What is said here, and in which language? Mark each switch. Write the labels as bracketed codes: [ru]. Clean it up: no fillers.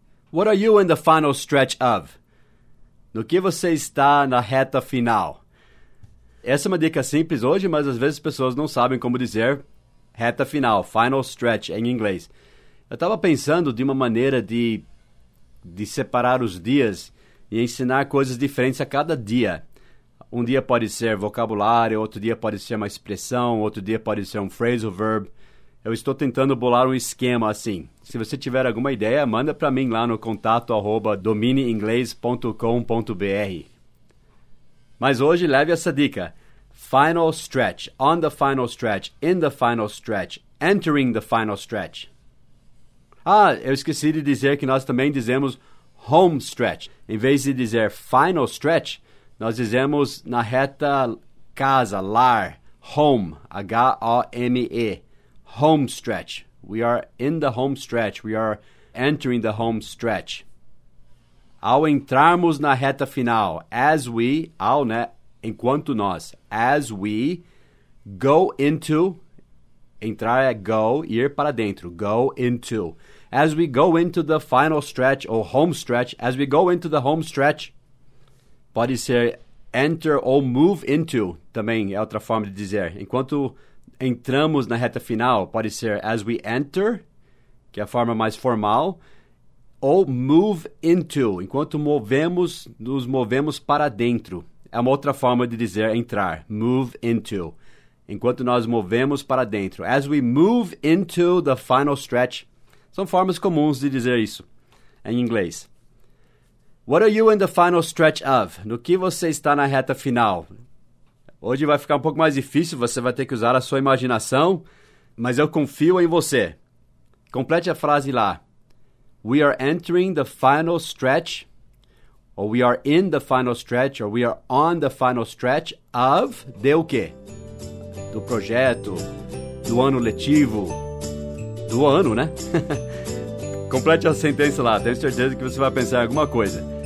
[en] What are you in the final stretch of? [pt] No que você está na reta final? Essa é uma dica simples hoje, mas às vezes as pessoas não sabem como dizer reta final, final stretch em inglês. Eu estava pensando de uma maneira de separar os dias e ensinar coisas diferentes a cada dia. Um dia pode ser vocabulário, outro dia pode ser uma expressão, outro dia pode ser um phrasal verb. Eu estou tentando bolar um esquema assim. Se você tiver alguma ideia, manda para mim lá no contato @dominieinglês.com.br. Mas hoje leve essa dica. [en] Final stretch, on the final stretch, in the final stretch, entering the final stretch. [pt] Ah, eu esqueci de dizer que nós também dizemos home stretch. Em vez de dizer final stretch, nós dizemos na reta casa, lar, home, H-O-M-E, home stretch. [en] We are in the home stretch, we are entering the home stretch. [pt] Ao entrarmos na reta final, as we, ao, né, enquanto nós, [en] as we go into, [pt] entrar é go, ir para dentro, go into. [en] As we go into the final stretch, or home stretch, as we go into the home stretch, [pt] pode ser enter ou move into, também é outra forma de dizer. Enquanto entramos na reta final, pode ser [en] as we enter, [pt] que é a forma mais formal, ou move into, enquanto movemos, nos movemos para dentro. É uma outra forma de dizer entrar, move into, enquanto nós movemos para dentro. [en] As we move into the final stretch, [pt] são formas comuns de dizer isso em inglês. [en] What are you in the final stretch of? [pt] No que você está na reta final? Hoje vai ficar um pouco mais difícil, você vai ter que usar a sua imaginação, mas eu confio em você. Complete a frase lá. [en] We are entering the final stretch, or we are in the final stretch, or we are on the final stretch of [pt] de o quê? Do projeto, do ano letivo, do ano, né? Complete a sentença lá, tenho certeza que você vai pensar em alguma coisa.